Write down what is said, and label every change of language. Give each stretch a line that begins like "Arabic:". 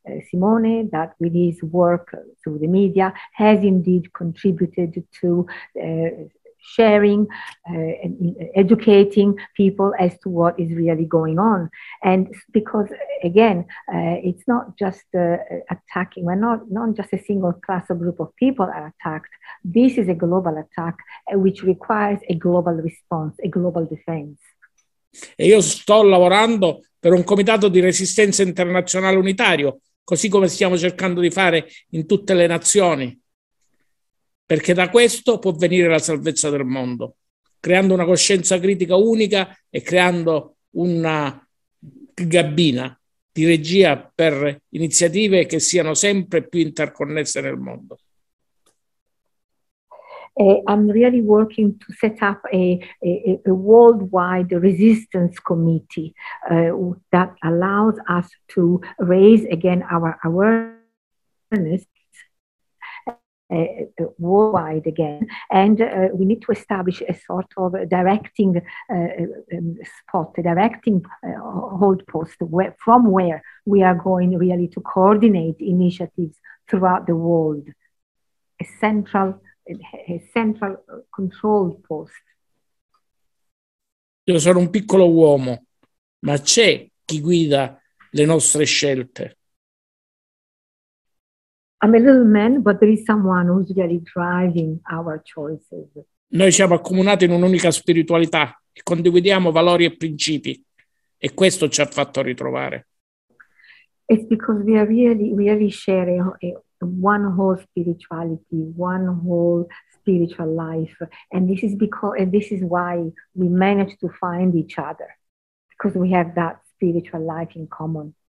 English: Simone that with his work through the media has indeed contributed to sharing and educating people as to what is really going on. And because, again, it's not just attacking, we're not just a single class or group of people are attacked. This is a global attack which requires a global response, a global defense.
Italian: E io sto lavorando per un comitato di resistenza internazionale unitario, così come stiamo cercando di fare in tutte le nazioni, perché da questo può venire la salvezza del mondo, creando una coscienza critica unica e creando una gabbina di regia per iniziative che siano sempre più interconnesse nel mondo.
English: I'm really working to set up a worldwide resistance committee that allows us to raise again our awareness worldwide again, and we need to establish a sort of directing spot, a directing hold post from where we are going really to coordinate initiatives throughout the world, a central control post.
Italian: Io sono un piccolo uomo, ma c'è chi guida le nostre scelte.
English: I'm a little man, but there is someone who's really driving our choices.
Italian: Noi siamo accomunati in un'unica spiritualità e condividiamo valori e principi, e questo ci ha fatto ritrovare.
English: It's because we are really sharing one whole spirituality, one whole spiritual life, and this is because, and this is why we managed to find each other, because we have that spiritual life in common.